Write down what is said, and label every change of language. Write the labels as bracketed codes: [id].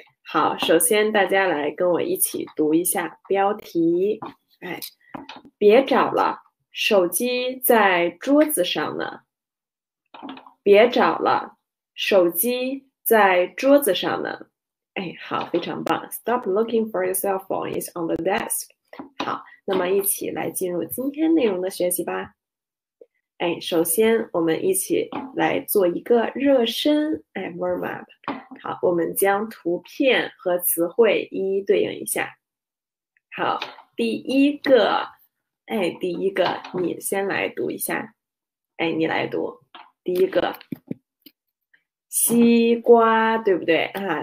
[zh] 好，首先大家来跟我一起读一下标题。哎，别找了，手机在桌子上呢。别找了，手机在桌子上呢。哎，好，非常棒。 [en] Stop looking for your cell phone, it's on the desk。 [zh] 好，那么一起来进入今天内容的学习吧。哎，首先我们一起来做一个热身，哎， [en] warm up。 [zh] 好，我们将图片和词汇一一对应一下。好，第一个，哎，第一个你先来读一下，哎，你来读第一个，西瓜，对不对啊？